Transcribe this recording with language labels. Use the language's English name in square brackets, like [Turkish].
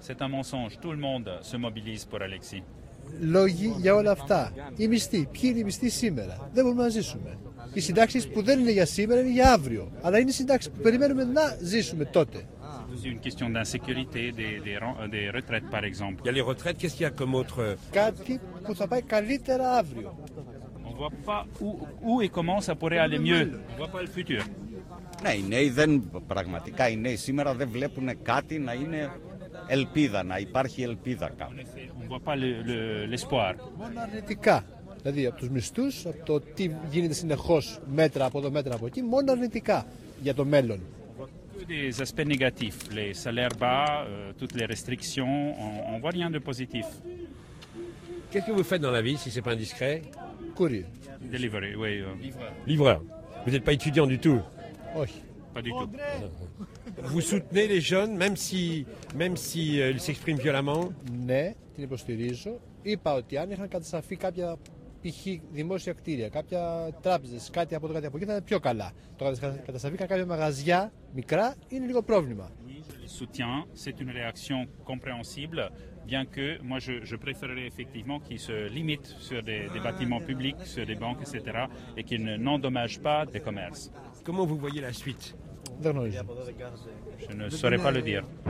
[French] C'est un mensonge, tout le monde se mobilise pour Alexis. [Greek] Λόγοι για όλα αυτά. Οι μισθοί. Ποιοι είναι οι μισθοί σήμερα. Δεν μπορούμε να ζήσουμε. Οι συντάξεις που δεν είναι για σήμερα είναι για αύριο. Αλλά είναι συντάξεις που περιμένουμε να ζήσουμε τότε. [French] Για les retraites, qu'est-ce qu'il y a comme autre. [Greek] Κάτι που θα πάει καλύτερα αύριο. [French] On voit pas où et comment ça pourrait aller mieux. On voit pas le futur. [Greek] Ναι, οι νέοι δεν. Πραγματικά οι νέοι σήμερα δεν βλέπουν κάτι να είναι. Ελπίδα, να υπάρχει ελπίδα κάπου. [French] On voit pas l'espoir. [Greek] Μόνο αρνητικά. Δηλαδή από τους μισθούς, από το τι γίνεται συνεχώς μέτρα από εδώ, μέτρα από εκεί, μόνο αρνητικά για το μέλλον. [French] Des aspects négatifs, les salaires bas, toutes les restrictions, on voit rien de positif. Qu'est-ce que vous faites dans la vie, si c'est pas indiscret? Courrier. Delivery, oui. Livreur. Livreur. Vous n'êtes pas étudiant du tout? Oui. Pas du tout. Vous soutenez les jeunes, même si ils s'expriment violemment. [Greek] Ναι, την υποστηρίζω. Είπα ότι αν είχαν κατασταθεί κάποια π.χ. δημόσια κτίρια, κάποια τράπεζες, κάτι από το κάτι από εκεί, θα ήταν πιο καλά. Το κατασταθήκαν κάποια μαγαζιά μικρά, είναι λίγο πρόβλημα. [French] Soutien, c'est une réaction compréhensible, bien que moi je préférerais effectivement qu'ils se limitent sur des bâtiments publics, sur des banques, etc. et qu'ils n'endommagent pas des commerces. Comment vous voyez la suite? Je ne saurais pas le dire.